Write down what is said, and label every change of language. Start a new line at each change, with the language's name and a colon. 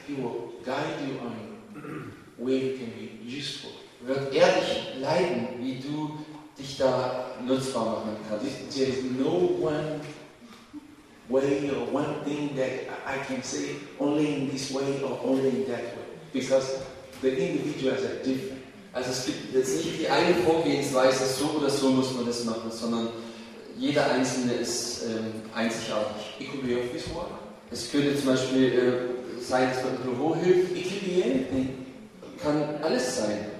English: he will guide you on where you can be useful.
German: Wird er dich leiten, wie du dich da nutzbar machen kannst.
English: There is no one way or one thing that I can say only in this way or only in that way. Because the individuals are different.
German: Also es gibt jetzt nicht die eine Vorgehensweise, so oder so muss man das machen, sondern jeder Einzelne ist einzigartig.
English: It could be office work.
German: Es könnte zum Beispiel sein, dass man im Büro hilft.
English: It could be anything.
German: Kann alles sein.